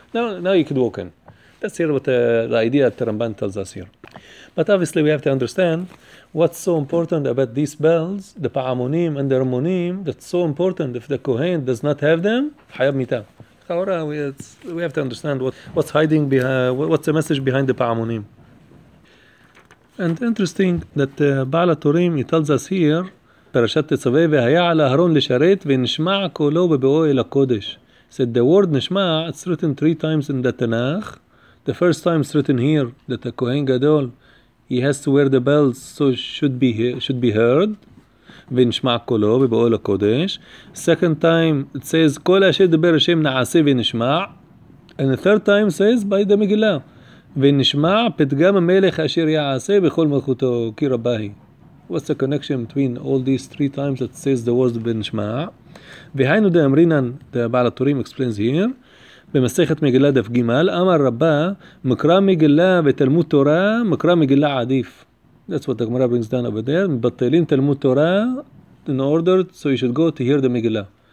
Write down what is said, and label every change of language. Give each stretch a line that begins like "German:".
English: Now you could walk in. That's here what the idea that Ramban tells us here. But obviously we have to understand what's so important about these bells, the pa'amonim and the ramonim, that's so important. If the Kohen does not have them, hayav mita. We have to understand what's hiding behind, what's the message behind the pa'amonim. And interesting that Ba'al HaTorim, he tells us here,
Hebrew: פרשת תצווה והיה על אהרון לשרת ונשמע קולו בבאוהל הקודש.
English: Said the word נשמע, it's written three times in the Tanakh. The first time it's written here that the Kohen Gadol, he has to wear the bells so should be heard.
Hebrew: ונשמע קולו בבאוהל הקודש.
English: Second time it says
Hebrew: כל אשר דבר השם נעשה ונשמע.
English: And the third time says by the מגילה.
Hebrew: ונשמע פתגם המלך אשר יעשה בכל מלכותו כי רבה היא.
English: What's the connection between all these three times that says the word Benishma'a? Behind the Amrinan, the Ba'al HaTorim explains here,
Hebrew: במסכת מגילה דף גימל, אמר רבה, מקרא מגילה ותלמוד תורה, מקרא מגילה עדיף.
English: That's what the Gemara brings down over there.
Hebrew: מבטלים תלמוד תורה
English: in order so you should go to hear the מגילה.